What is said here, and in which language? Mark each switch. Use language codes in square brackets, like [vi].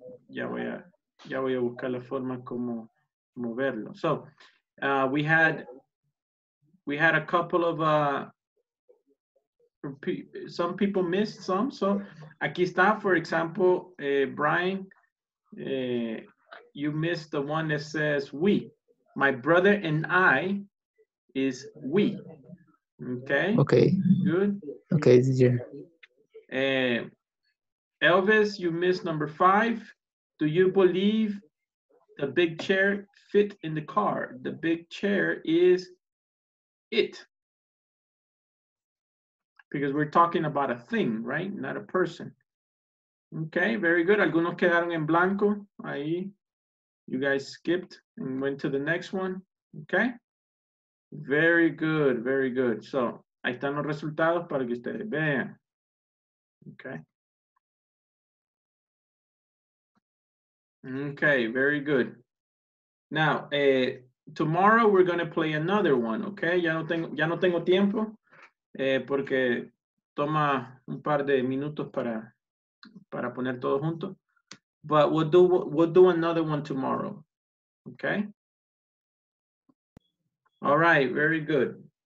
[es] Ya voy a buscar la forma como moverlo. [en] So, we had a couple of some people missed some. So, [es] aquí está, [en] for example, Brian, you missed the one that says we. My brother and I is we. Okay. Okay. Good. Okay, this is your. Elvis, you missed number five. Do you believe the big chair fit in the car? The big chair is it. Because we're talking about a thing, right? Not a person. Okay, very good. [es] Algunos quedaron en blanco. Ahí. [en] You guys skipped and went to the next one. Okay. Very good, very good. [es] So, ahí están los resultados para que ustedes vean. [en] Okay. Okay, very good. Now, tomorrow we're going to play another one, okay? [es] Ya no tengo tiempo, porque toma un par de minutos para poner todo junto. [en] But we'll do another one tomorrow, okay? All right, very good.